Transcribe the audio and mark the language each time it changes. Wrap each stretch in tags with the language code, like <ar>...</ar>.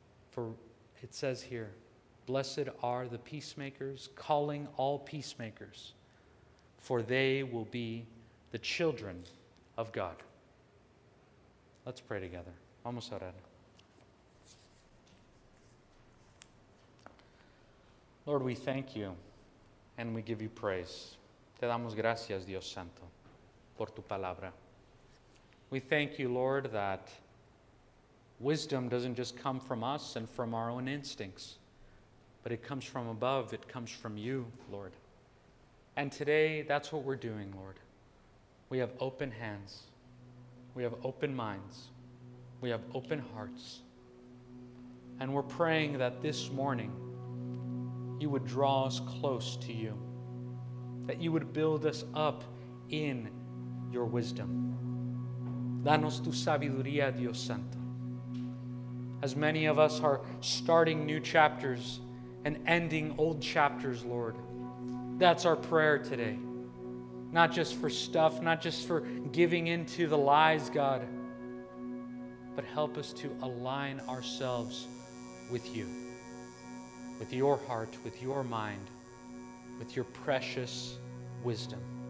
<en>For it says here, "Blessed are the peacemakers, calling all peacemakers, for they will be the children of God." Let's pray together.</en> <es>Vamos a orar.</es> <en>Lord, we thank you and we give you praise.</en> <es>Te damos gracias, Dios Santo, por tu palabra.</es> <en>We thank you, Lord, that wisdom doesn't just come from us and from our own instincts, but it comes from above. It comes from you, Lord. And today, that's what we're doing, Lord. We have open hands. We have open minds. We have open hearts. And we're praying that this morning, you would draw us close to you, that you would build us up in your wisdom.</en> <es>Danos tu sabiduría, Dios Santo.</es> <en>As many of us are starting new chapters and ending old chapters, Lord, that's our prayer today. not just for stuff, not just for giving into the lies, God, but help us to align ourselves with you, with your heart, with your mind, with your precious wisdom.</en>